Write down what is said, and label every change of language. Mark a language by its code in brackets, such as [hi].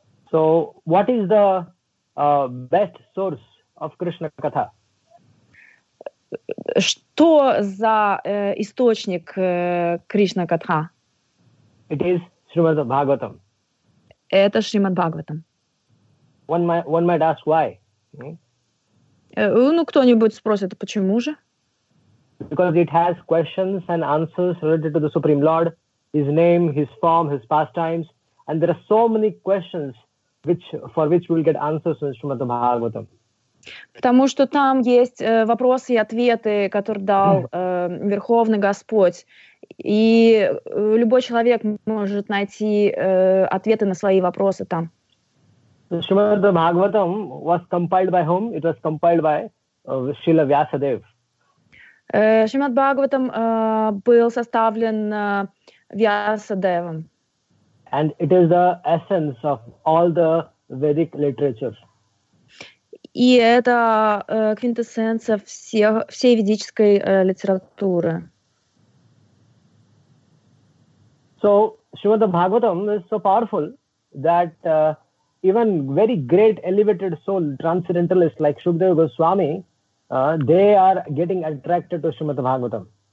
[en] So, what is the best source of Krishna Katha? [ru] Что за источник Кришна Катха? [en] It is Shrimad Bhagavatam. [ru] Это Шримад Бхагаватам. [en] One might ask why. [ru] Ну, кто-нибудь спросит, почему же? [en] Because it has questions and answers related to the Supreme Lord, His name, His form, His pastimes, and there are so many questions for which we will get answers in Shrimad Bhagavatam. [ru] Потому что там есть вопросы и ответы, которые дал Верховный Господь. И любой человек может найти ответы на свои вопросы там. [en] Shrimad Bhagavatam was compiled by whom? It was compiled by Srila Vyasadev. [ru] Shrimad Bhagavatam был составлен Vyasadevam. [en] And it is the essence of all the Vedic literature. [ru] И это квинтэссенция всей ведической литературы. [en] So, Shrimad Bhagavatam is so powerful that even very great elevated soul transcendentalists like Shukadeva Goswami, they are getting attracted to Shrimad Bhagavatam.